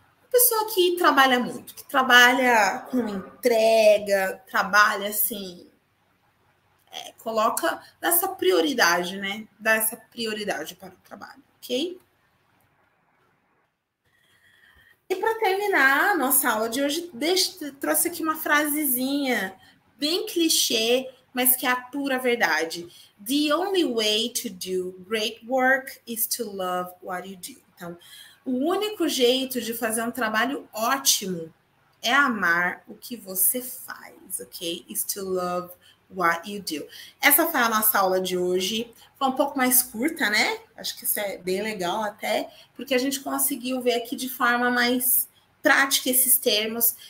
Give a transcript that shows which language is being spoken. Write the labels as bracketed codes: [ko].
[pt] Pessoa que trabalha muito, que trabalha com entrega, trabalha assim, coloca dessa prioridade, né? Dá essa prioridade para o trabalho, ok? E para terminar a nossa aula de hoje, trouxe aqui uma frasezinha bem clichê, mas que é a pura verdade. [en] The only way to do great work is to love what you do. [pt] Então, o único jeito de fazer um trabalho ótimo é amar o que você faz, ok? [en] Is to love what you do. [pt] Essa foi a nossa aula de hoje. Foi um pouco mais curta, né? Acho que isso é bem legal até, porque a gente conseguiu ver aqui de forma mais prática esses termos.